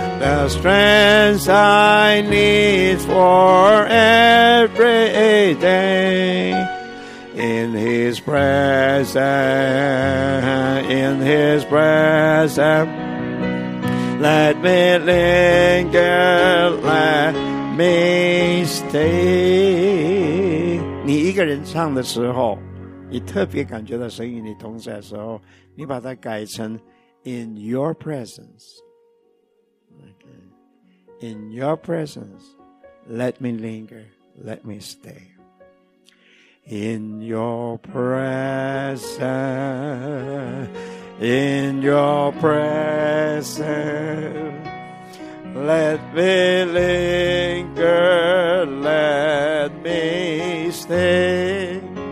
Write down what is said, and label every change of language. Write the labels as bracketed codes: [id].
[en] The strength I need for every day in His presence, in His presence. Let me linger, let me stay. [zh] 你一个人唱的时候，你特别感觉到神与你同在的时候，你把它改成 [en] in your presence. In your presence, let me linger, let me stay. In your presence, in your presence, let me linger, let me stay.